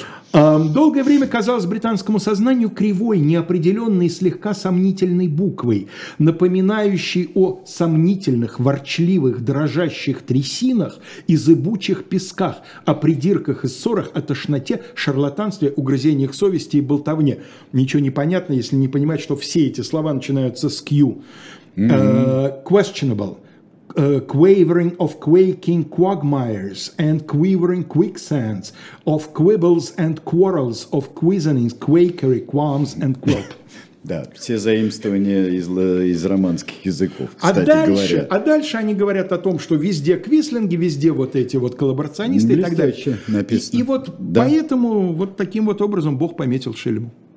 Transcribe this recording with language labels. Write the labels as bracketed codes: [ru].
[ru] Долгое время казалось британскому сознанию кривой, неопределенной, слегка сомнительной буквой, напоминающей о сомнительных, ворчливых, дрожащих трясинах и зыбучих песках, о придирках и ссорах, о тошноте, шарлатанстве, угрызениях совести и болтовне. Ничего не понятно, если не понимать, что все эти слова начинаются с «кью». [en] «Questionable». Quavering of quaking quagmires and quivering quicksands of quibbles and quarrels of quizzenings, quakery, qualms and quip. [ru] Да, все заимствования из романских языков, кстати, дальше, говорят. А дальше они говорят о том, что везде квислинги, везде вот эти вот коллаборационисты и так далее. Написано. И вот да. Поэтому вот таким вот образом Бог пометил Шельму.